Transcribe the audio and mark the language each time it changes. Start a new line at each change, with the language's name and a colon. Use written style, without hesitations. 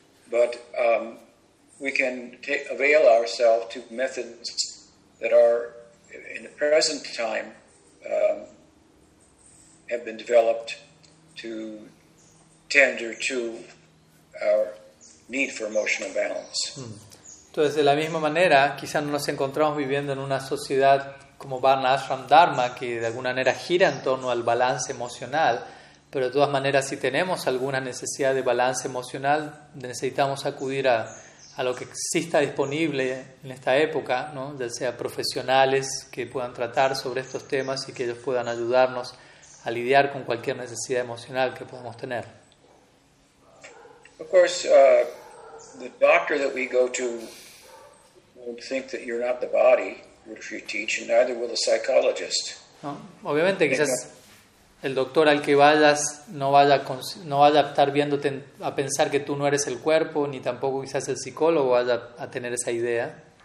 English: But we can avail ourselves to methods that are, in the present time, have been developed to tender to our need for emotional balance.
Spanish: Entonces, de la misma manera, quizás no nos encontramos viviendo en una sociedad como Varnashram Dharma, que de alguna manera gira en torno al balance emocional, pero de todas maneras, si tenemos alguna necesidad de balance emocional, necesitamos acudir a lo que exista disponible en esta época, ¿no? Ya sea profesionales que puedan tratar sobre estos temas y que ellos puedan ayudarnos a lidiar con cualquier necesidad emocional que podamos tener.
English: Of course, the doctor that we go to won't think that you're not the body which you teach, and neither will the psychologist.
Spanish: No, obviamente, quizás el doctor al que vayas no vaya a estar viéndote a pensar que tú no eres el cuerpo, ni tampoco quizás el psicólogo vaya a tener esa idea.